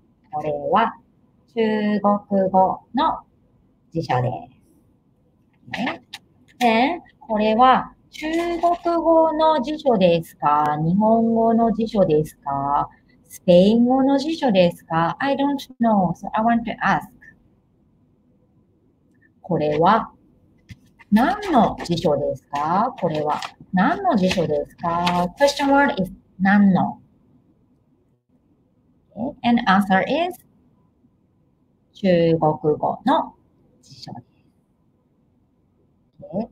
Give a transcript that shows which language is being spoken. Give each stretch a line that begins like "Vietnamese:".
Japanese: これは中国語の辞書です。 Then, これは中国語の辞書ですか？日本語の辞書ですか？スペイン語の辞書ですか？
English: I don't know, so I want to ask.
Japanese: これは何の辞書ですか？これは何の辞書ですか？
English: Question word is 何の。 Okay. And answer is
Japanese: 中国語の辞書です。
English: Okay.